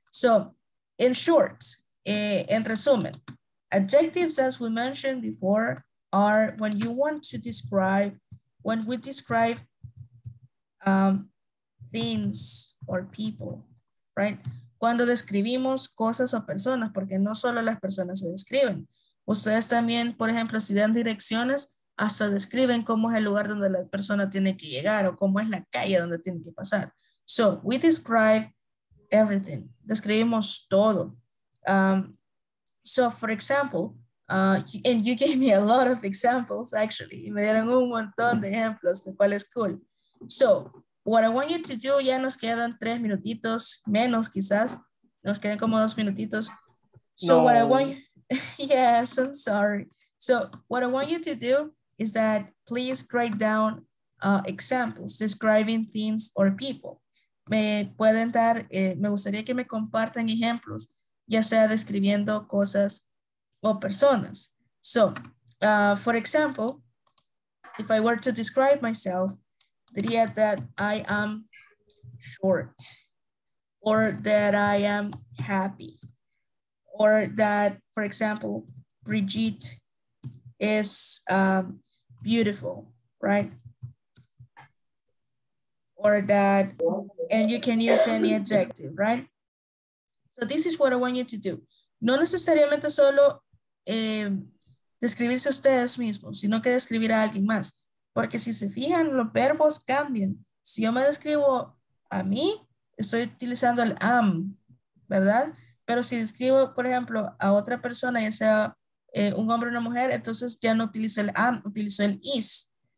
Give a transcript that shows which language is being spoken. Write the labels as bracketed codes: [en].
[en] So, in short, [es] en resumen, [en] adjectives, as we mentioned before, are when you want to describe, when we describe things or people, right? [es] Cuando describimos cosas o personas, porque no solo las personas se describen. Ustedes también, por ejemplo, si dan direcciones, hasta describen cómo es el lugar donde la persona tiene que llegar o cómo es la calle donde tiene que pasar. [en] So, we describe everything. [es] Describimos todo. [en] So, for example, and you gave me a lot of examples, actually. [es] Y me dieron un montón de ejemplos, lo cual es cool. [en] So, what I want you to do, [es] ya nos quedan 3 minutitos, menos quizás. Nos quedan como 2 minutitos. [en] So, no. What I want you... yes, I'm sorry. So, what I want you to do is that please write down examples describing things or people. [es] Me pueden dar, me gustaría que me compartan ejemplos, ya sea describiendo cosas o personas. [en] So, for example, if I were to describe myself, [es] diría [en] that I am short, or that I am happy, or that, for example, Brigitte is beautiful, right? Or that, and you can use any adjective, right? So this is what I want you to do. [es] No necesariamente solo describirse ustedes mismos, sino que describir a alguien más. Porque si se fijan, los verbos cambian. Si yo me describo a mí, estoy utilizando el am, ¿verdad? Pero si describo, por ejemplo, a otra persona, ya sea un hombre o una mujer, entonces ya no utilizo el am, utilizo el is.